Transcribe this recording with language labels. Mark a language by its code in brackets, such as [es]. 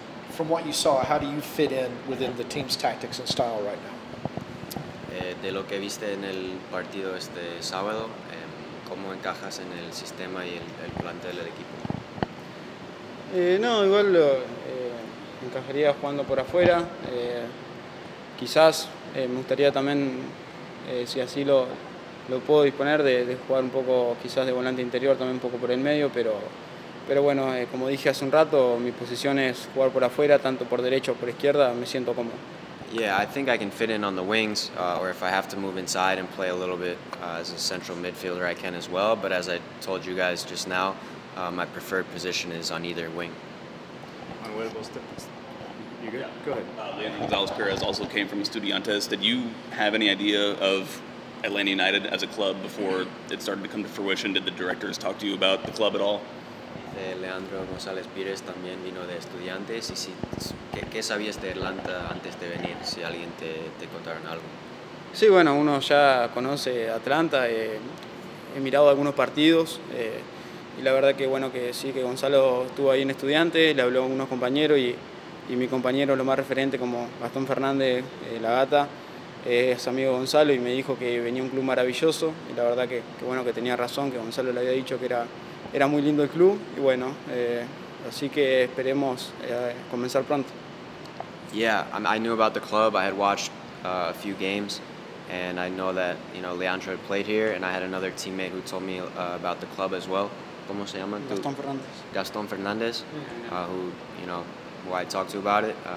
[en] From what you saw, how do you fit in within the team's tactics and style right now? [es] De lo que viste en el partido este sábado, ¿cómo encajas en el sistema y el plantel del equipo? No, igual encajaría jugando por afuera. Quizás me gustaría también, si así lo puedo disponer, de jugar un poco quizás de volante interior, también un poco por el medio, pero bueno, como dije hace un rato, mi posición es jugar por afuera, tanto por derecho o por izquierda, me siento cómodo. [en] Yeah, I think I can fit in on the wings, or if I have to move inside and play a little bit as a central midfielder, I can as well, but as I told you guys just now, my preferred position is on either wing. Manuel, you good? Go ahead. Leandro Gonzalez-Perez also came from Estudiantes. Did you have any idea of Atlanta United as a club before it started to come to fruition? Did the directors talk to you about the club at all? [es] Leandro Gonzalez-Perez también vino de Estudiantes. ¿Y si, qué sabías de Atlanta antes de venir? Si alguien te contaron algo. Sí, bueno, uno ya conoce Atlanta. He mirado algunos partidos. Y la verdad que bueno, que sí, que Gonzalo estuvo ahí en Estudiantes, le habló a unos compañeros y mi compañero, lo más referente, como Gastón Fernández, La Gata, es amigo de Gonzalo y me dijo que venía un club maravilloso y la verdad que bueno, que tenía razón, que Gonzalo le había dicho que era muy lindo el club y bueno, así que esperemos comenzar pronto. [en] Yeah, I knew about the club, I had watched a few games. And I know that, you know, Leandro played here, and I had another teammate who told me about the club as well. [es] ¿Cómo se llama? Gastón Fernández. [en] Gastón Fernández, who, you know, who I talked to about it.